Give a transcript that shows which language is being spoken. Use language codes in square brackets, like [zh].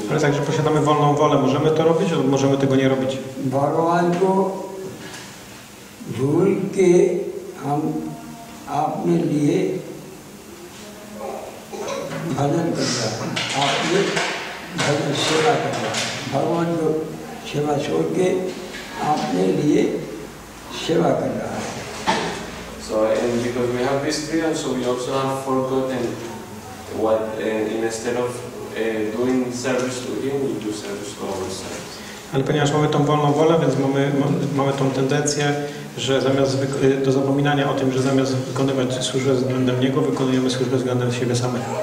[pl] Ale także posiadamy wolną wolę. Możemy to robić, albo możemy tego nie robić. [hi] भगवान को भूल के हम आपने लिए भजन करना, आपने भजन सेवा करना, भगवान को सेवा छोड़ के आपने लिए सेवा कर रहा है। [en] So and because we have this freedom, so we also have forgotten what instead of doing service to him, we do service to ourselves. [pl] Ale ponieważ mamy tą wolną wolę, więc mamy tą tendencję, że zamiast do zapominania o tym, że zamiast wykonywać służbę względem niego, wykonujemy służbę względem siebie samych.